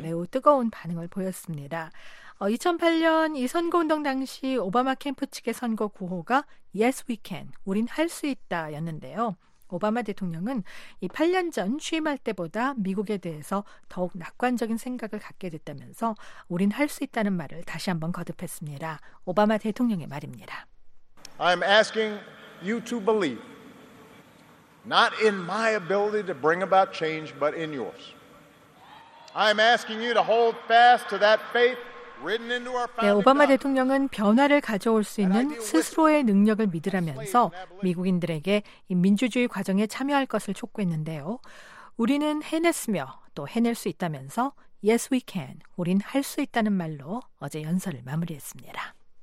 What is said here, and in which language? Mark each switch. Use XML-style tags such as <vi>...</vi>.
<ko>매우 뜨거운 반응을 보였습니다. 2008년 이 선거운동 당시 오바마 캠프 측의 선거 구호가</ko> <en>Yes, we can.</en> <ko>우린 할 수 있다 였는데요. 오바마 대통령은 이 8년 전 취임할 때보다 미국에 대해서 더욱 낙관적인 생각을 갖게 됐다면서 우린 할 수 있다는 말을 다시 한번 거듭했습니다. 오바마 대통령의 말입니다.</ko> <en>I'm asking you to believe not in my ability to bring about change but in yours. I'm asking you to hold fast to that faith written into our founding.</en> <ko>네, 오바마 대통령은 변화를 가져올 수 있는 스스로의 능력을 믿으라면서 미국인들에게 민주주의 과정에 참여할 것을 촉구했는데요. 우리는 해냈으며 또 해낼 수 있다면서</ko> <en>Yes, we can.</en> <ko>우린 할 수 있다는 말로 어제 연설을 마무리했습니다.</ko>